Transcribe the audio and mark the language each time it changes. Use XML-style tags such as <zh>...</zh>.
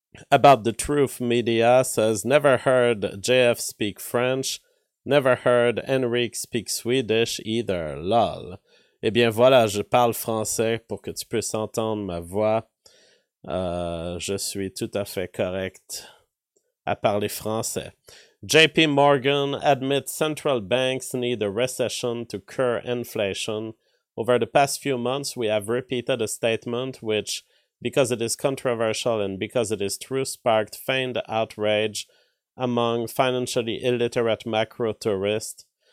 <en>About the Truth Media says, never heard JF speak French. Never heard Henrique speak Swedish either, lol.</en> <fr>Eh bien voilà, je parle français pour que tu puisses entendre ma voix. Je suis tout à fait correct à parler français.</fr> <en>JP Morgan admits central banks need a recession to curb inflation. Over the past few months, we have repeated a statement which, because it is controversial and because it is true, sparked feigned outrage among financially illiterate macro tourists.</en>